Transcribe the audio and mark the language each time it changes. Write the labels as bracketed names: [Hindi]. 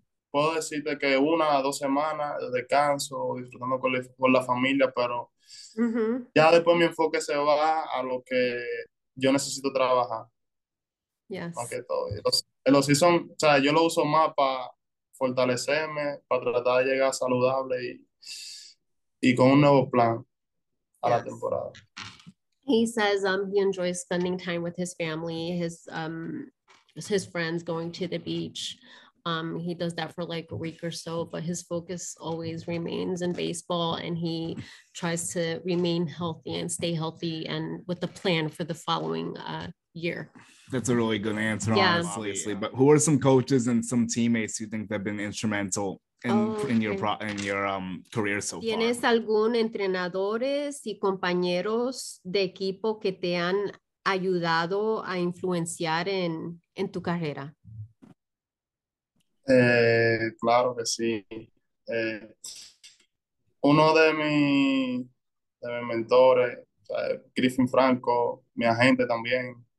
[Spanish] Puedo decirte que 1 a 2 semanas de descanso, disfrutando con la familia, pero ya después mi enfoque se va a lo que yo necesito trabajar, más que todo. El off-season, o sea, yo lo uso más para fortalecerme, para tratar de llegar saludable y con un nuevo plan a la temporada. [English] He says he enjoys spending time with his family, his friends, going to the beach. He does that for like a week or so, but his focus always remains in baseball and he tries to remain healthy and stay healthy and with a plan for the following year. That's a really good answer, honestly. But who are some coaches and some teammates you think that have been instrumental in your career so far? [Spanish] ¿Tienes algún entrenadores y compañeros de equipo que te han ayudado a influenciar en tu carrera? Claro que sí. Uno de mis mentores, Griffin Franco, mi agente también.